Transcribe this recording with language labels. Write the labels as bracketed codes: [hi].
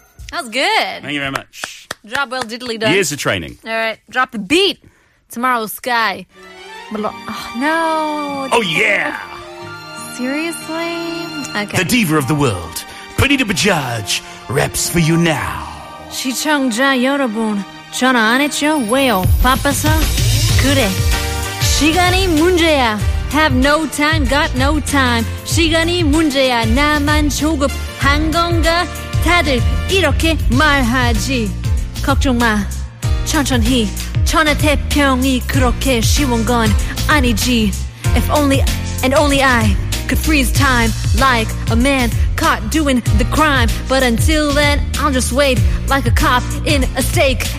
[en] That was good. Thank you very much. Job well diddly done. Years of training. All right. Drop the beat. Tomorrow Sky. Oh, no. Oh, yeah. Seriously? Okay. The diva of the world, Punita&apos, raps for you now. [ko] 시청자 여러분, 전화 안 했죠? 왜요? 바빠서? 그래. 시간이 문제야. [en] Have no time, got no time. [ko] 시간이 문제야. 나만 조급 한 건가? 다들 이렇게 말하지. 걱정 마. 천천히. 천하태평이 그렇게 쉬운 건 아니지. [en] If only and only I could freeze time like a man caught doing the crime. But until then, I'll just wait like a cop in a stake.